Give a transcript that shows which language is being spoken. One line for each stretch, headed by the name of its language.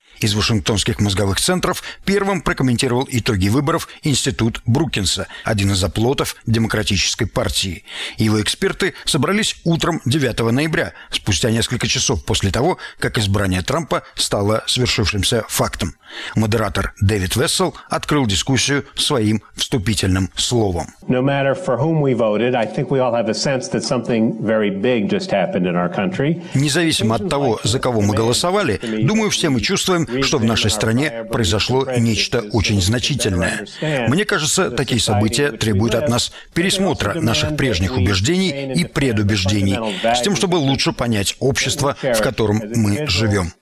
Russian: Из вашингтонских мозговых центров первым прокомментировал итоги выборов Институт Брукинса, один из оплотов Демократической партии. Его эксперты собрались утром 9 ноября, спустя несколько часов после того, как избрание Трампа стало свершившимся фактом. Модератор Дэвид Вессел открыл дискуссию своим вступительным словом.
English: No matter for whom we voted, I think we all have a sense that something very big just happened in our country.
Russian: Независимо от того, за кого мы голосовали, думаю, все мы чувствуем, что в нашей стране произошло нечто очень значительное. Мне кажется, такие события требуют от нас пересмотра наших прежних убеждений и предубеждений, с тем, чтобы лучше понять общество, в котором мы живем.